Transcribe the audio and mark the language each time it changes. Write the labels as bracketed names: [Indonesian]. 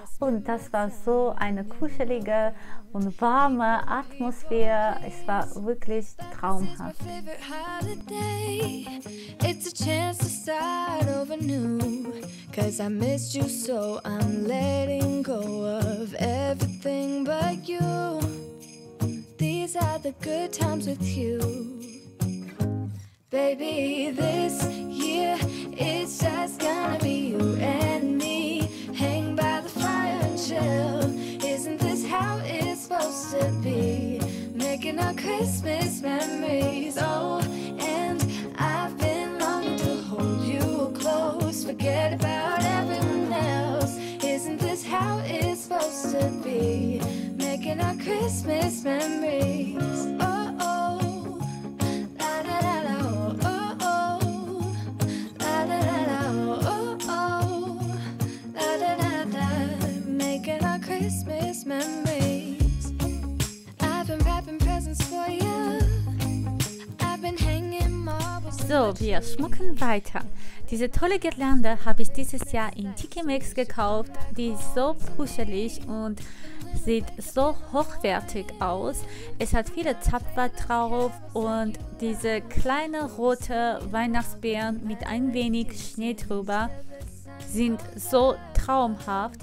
[German] Und das war so eine kuschelige und warme Atmosphäre. Es war wirklich traumhaft. [English] These are the good times with you. Baby, this year it's just gonna be you and me. Hang by the fire and chill. Isn't this how it's supposed to be? Making our Christmas memories. Oh, and I've been longing to hold you close. Forget about everyone else. Isn't this how it's supposed to be? Making our Christmas memories. Oh oh, la la la. Oh oh, la la la. Oh oh, la la la. Making our Christmas memories. I've been wrapping presents for you. I've been hanging marbles. [German] So, wir schmücken weiter. Diese tolle Girlande habe ich dieses Jahr in Tiki Mix gekauft. Die ist so puschelig und sieht so hochwertig aus. Es hat viele Zapfer drauf und diese kleine rote Weihnachtsbeeren mit ein wenig Schnee drüber sind so traumhaft.